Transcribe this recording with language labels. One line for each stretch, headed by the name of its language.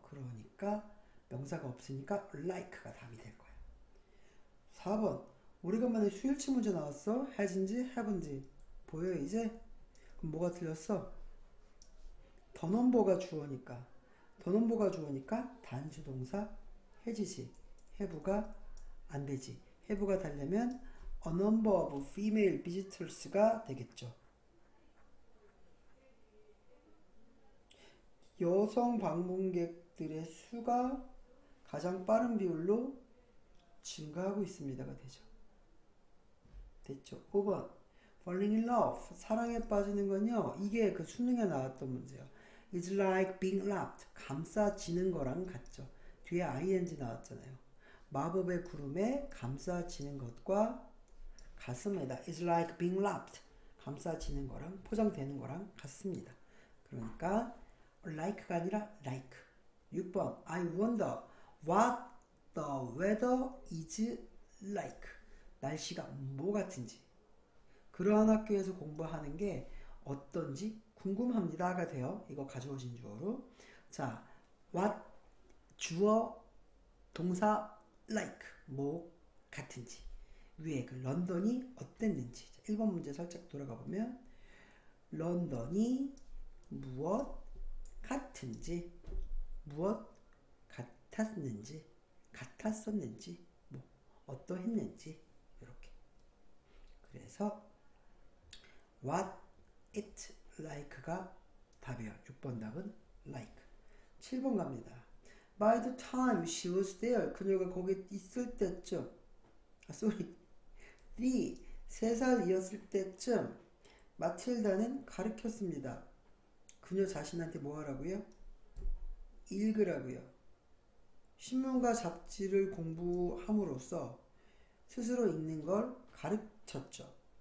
Korean: 그러니까 명사가 없으니까 like가 답이 될 거야. 4번. 오래간만에 수일치 문제 나왔어. has인지 have인지. 보여, 이제? 그럼 뭐가 틀렸어? the number가 주어니까. the number가 주어니까 단수 동사 해지지. have가 안 되지. have가 달려면
English: a number of female visitors
Korean: 가 되겠죠. 여성 방문객들의 수가 가장 빠른 비율로 증가하고 있습니다가 되죠. 됐죠? 5번.
English: Falling in love.
Korean: 사랑에 빠지는 건요. 이게 그 수능에 나왔던 문제예요.
English: It's like being wrapped.
Korean: 감싸지는 거랑 같죠. 뒤에 ing 나왔잖아요. 마법의 구름에 감싸지는 것과 같습니다.
English: It's like being wrapped.
Korean: 감싸지는 거랑 포장되는 거랑 같습니다. 그러니까 like가 아니라 like. 6번.
English: I wonder what the weather is like.
Korean: 날씨가 뭐 같은지. 그러한 학교에서 공부하는 게 어떤지 궁금합니다가 돼요. 이거 가져오신 주어로. 자, what 주어 동사 like 뭐 같은지. 위에 그 런던이 어땠는지. 자, 1번 문제 살짝 돌아가 보면 런던이 무엇 같은지, 무엇 같았는지, 같았었는지, 뭐, 어떠했는지, 이렇게. 그래서, what it like가 답이야. 6번 답은 like. 7번 갑니다.
English: By the time she was there,
Korean: 그녀가 거기 있을 때쯤, 아,
English: sorry.
Korean: 3, 3살이었을 때쯤, 마틸다는 가르쳤습니다. 그녀 자신한테 뭐 하라고요? 읽으라고요. 신문과 잡지를 공부함으로써 스스로 읽는 걸 가르쳤죠.